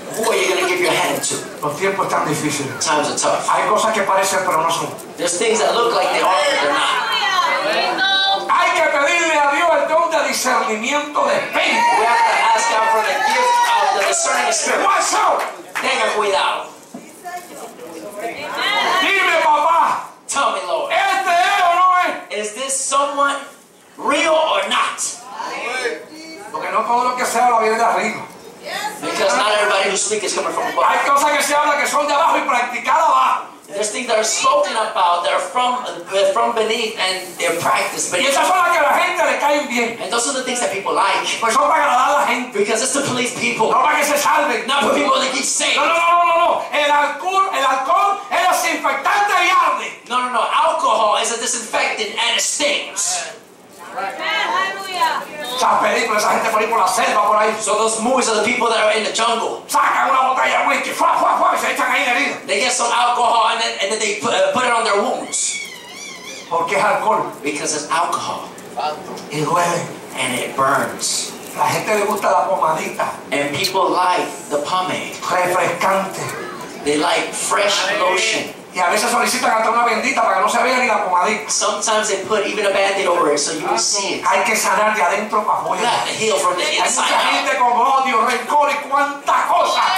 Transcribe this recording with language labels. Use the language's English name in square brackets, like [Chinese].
[English] Who are you going to give your hand to? [Spanish] Los tiempos están difíciles. [English] Times are tough. [Spanish] Hay cosas que parecen, pero no son. [English] There's things that look like they are, but they're not. [Spanish] Hay que pedirle a Dios el don de discernimiento de espíritu. [English] We have to ask God for the gift of the discerning spirit. Watch out! [Spanish] Tenga cuidado. Dime, papá. [English] Tell me, Lord. [Spanish] ¿Este es o no es? [English] Is this someone real or not? [Spanish] Porque no todo lo que sea lo viene de arriba. [English] Because not everybody who speaks is coming from above. [Spanish] Hay cosas que se habla que son de abajo y practicado abajo. [English] There's things that are spoken about that are from beneath and they're practiced beneath. [Spanish] Y esas son las que la gente le caen bien. [English] And those are the things that people like. [Spanish] Pues son para agradar a la gente. [English] Because it's to please people. [Spanish] No para que se salven. [English] Not for people to get saved. [Spanish] No. El alcohol es desinfectante y arde. [English] No. Alcohol is a disinfectant and it stings. Right. Hallelujah. So those movies are the people that are in the jungle. They get some alcohol and then they put it on their wounds. [Spanish] Porque es alcohol. [English] Because it's alcohol. [Spanish] Y duele. [English] And it burns. [Spanish] La gente le gusta la pomadita. [English] And people like the pomade. [Spanish] Refrescante. [English] They like fresh lotion. [Spanish] Y a veces solicitan hasta una bendita para que no se vea ni la pomadita. [English] Sometimes they put even a band-aid over it so you can see it. [Spanish] Hay que sanar de adentro para afuera. [English] You have to heal from the inside out. [Spanish] Hay mucha gente con odio, rencor y cuántas cosas.